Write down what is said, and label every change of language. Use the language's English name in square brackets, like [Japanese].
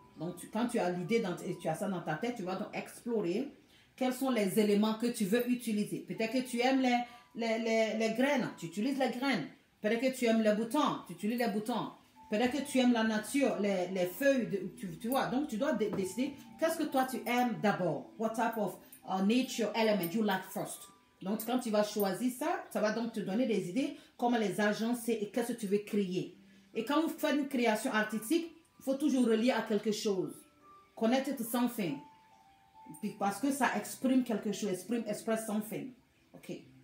[French] Donc, quand tu as l'idée et tu as ça dans ta tête, tu vas donc explorer quels sont les éléments que tu veux utiliser. Peut-être que tu aimes les graines. Tu utilises les graines. Peut-être que tu aimes les boutons. Tu utilises les boutons. Peut-être que tu aimes la nature, les feuilles. Tu vois, donc tu dois décider qu'est-ce que toi tu aimes d'abord. [English] What type of nature element you like first? [French] Donc, quand tu vas choisir ça, ça va donc te donner des idées comment les agencer et qu'est-ce que tu veux créer. Et quand vous faites une création artistique, il faut toujours relier à quelque chose. [English] Connect it [French] sans fin. Parce que ça exprime quelque chose, express sans fin. Ok.